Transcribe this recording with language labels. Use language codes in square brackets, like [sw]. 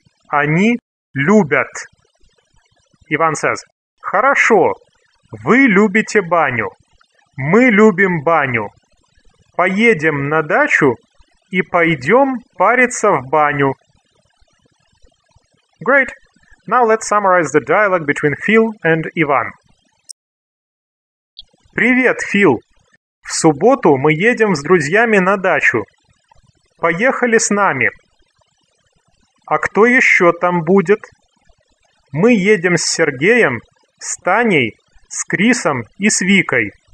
[ru] Они любят. Иван says, хорошо, вы любите баню. Мы любим баню. Поедем на дачу и пойдем париться в баню. [en] Great. Now let's summarize the dialogue between Phil and Иван. [ru] Привет, Фил. В субботу мы едем с друзьями на дачу. Поехали с нами. А кто еще там будет? Мы едем с Сергеем, с Таней, с Крисом и с Викой.